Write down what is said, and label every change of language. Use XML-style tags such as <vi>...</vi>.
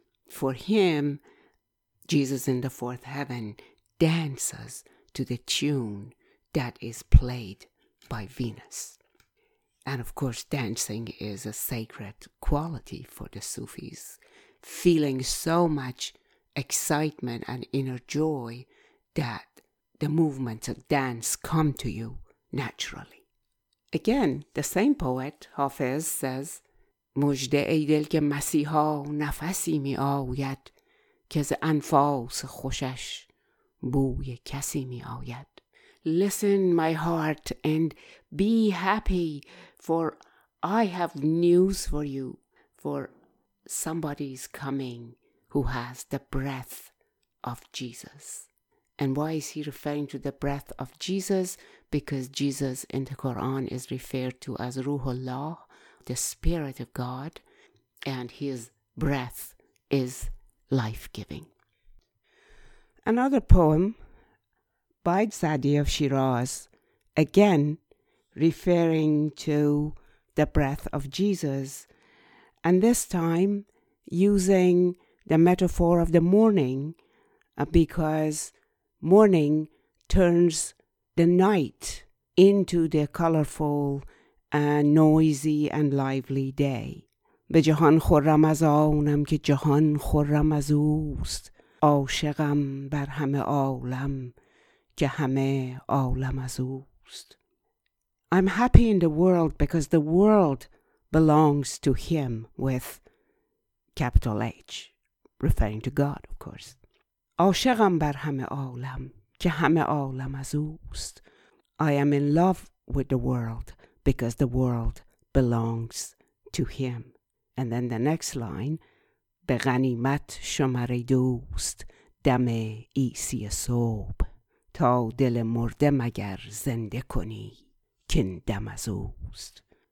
<en>For him, Jesus in the fourth heaven dances to the tune that is played by Venus. And of course, dancing is a sacred quality for the Sufis. Feeling so much excitement and inner joy that the movements of dance come to you naturally. Again, the same poet, Hafez, says,</en> <fa>مجده ای دل که مسیحا نفسی می آوید که ز انفاس خوشش بوی کسی می آوید.</fa> <en>Listen, my heart, and be happy, for I have news for you, for somebody's coming who has the breath of Jesus. And why is he referring to the breath of Jesus? Because Jesus in the Quran is referred to as Ruhullah, the Spirit of God, and his breath is life-giving. Another poem by Sa'di of Shiraz, again referring to the breath of Jesus, and this time using the metaphor of the morning, because morning turns the night into the colorful a noisy and lively day.</en> <fa>به جهان خرم از آنم که جهان خرم از اوست. عاشقم بر همه عالم که همه عالم از اوست.</fa> <en>I'm happy in the world because the world belongs to him, with capital H, referring to God, of course.</en> <fa>عاشقم بر همه عالم که همه عالم از اوست.</fa> <en>I am in love with the world because the world belongs to him. And then the next line,</en> <fa>به غنیمت شمر دوست دم عیسی صبح تا دل مرده مگر زنده کنی کن دم از اوست.</fa>